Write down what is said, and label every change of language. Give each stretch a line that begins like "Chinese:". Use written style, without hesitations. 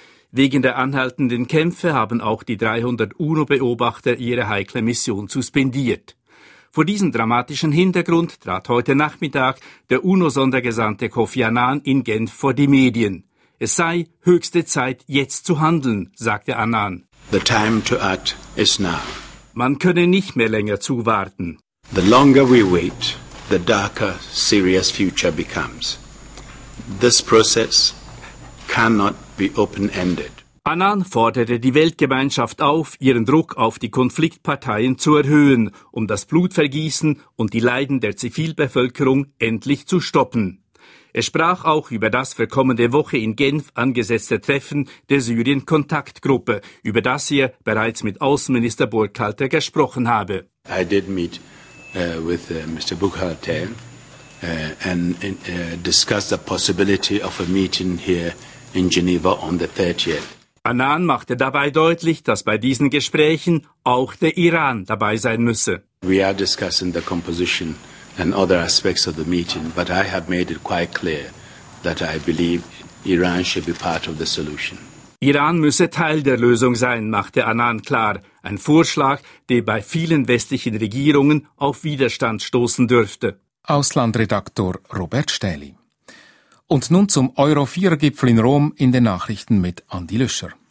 German: Wegen der anhaltenden Kämpfe haben auch die 300 UNO-Beobachter ihre heikle Mission suspendiert. Vor diesem dramatischen Hintergrund trat heute Nachmittag der UNO-Sondergesandte Kofi Annan in Genf vor die Medien. Es sei höchste Zeit, jetzt zu handeln, sagte Annan.
English: The time to act is now.
German: Man könne nicht mehr länger zuwarten.
English: The longer we wait, the darker Syria's future becomes. This process cannot be open-ended.
German: Annan forderte die Weltgemeinschaft auf, ihren Druck auf die Konfliktparteien zu erhöhen, um das Blutvergießen und die Leiden der Zivilbevölkerung endlich zu stoppen. Er sprach auch über das für kommende Woche in Genf angesetzte Treffen der Syrien-Kontaktgruppe, über das er bereits mit Außenminister Burkhalter gesprochen habe.
English: I did meet with Mr. Burkhalter and discussed the possibility of a meeting here in Geneva on the 30th.
German: Annan machte dabei deutlich, dass bei diesen Gesprächen auch der Iran dabei sein müsse.
English: We are discussing the composition and other aspects of the meeting, but I have made it quite clear that I believe Iran should be part of the solution.
German: Iran müsse Teil der Lösung sein, machte Annan klar. Ein Vorschlag, der bei vielen westlichen Regierungen auf Widerstand stoßen dürfte. Auslandredaktor Robert Stähli. Und nun zum Euro-4-Gipfel in Rom in den Nachrichten mit Andi Löscher.